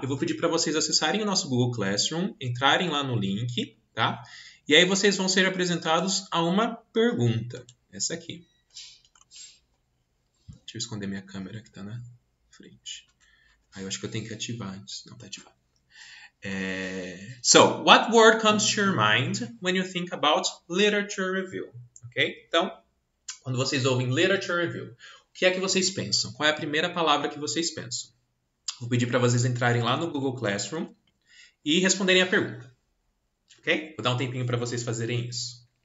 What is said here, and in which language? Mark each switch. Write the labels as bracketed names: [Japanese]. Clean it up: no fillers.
[Portuguese] Eu vou pedir para vocês acessarem o nosso Google Classroom, entrarem lá no link, tá? E aí vocês vão ser apresentados a uma pergunta, essa aqui. Deixa eu esconder minha câmera que está na frente. Aí eu acho que eu tenho que ativar antes. Não, está ativado. [English] So, what word comes to your mind when you think about literature review? Okay? [Portuguese] Então, quando vocês ouvem literature review, o que é que vocês pensam? Qual é a primeira palavra que vocês pensam? Vou pedir para vocês entrarem lá no Google Classroom e responderem a pergunta. Ok? Vou dar um tempinho para vocês fazerem isso.